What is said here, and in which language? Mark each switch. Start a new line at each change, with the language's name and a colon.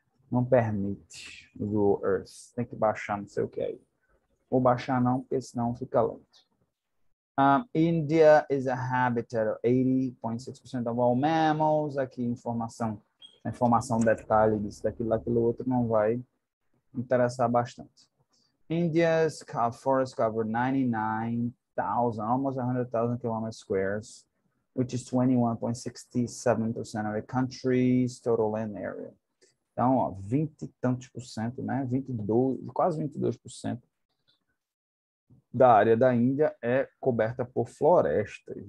Portuguese: Não permite o Google Earth. Tem que baixar, não sei o que aí. Vou baixar não, porque senão fica lento.
English: India is a habitat of 80.6% of all mammals.
Portuguese: Aqui, informação, detalhe disso, daquilo, aquilo outro, não vai interessar bastante.
English: India's forest cover 99,000, almost 100,000 kilometers squares, which is 21.67% of the country's total land area.
Portuguese: Então, ó, 20 e tantos por cento, né? 22, quase 22% da área da Índia é coberta por florestas.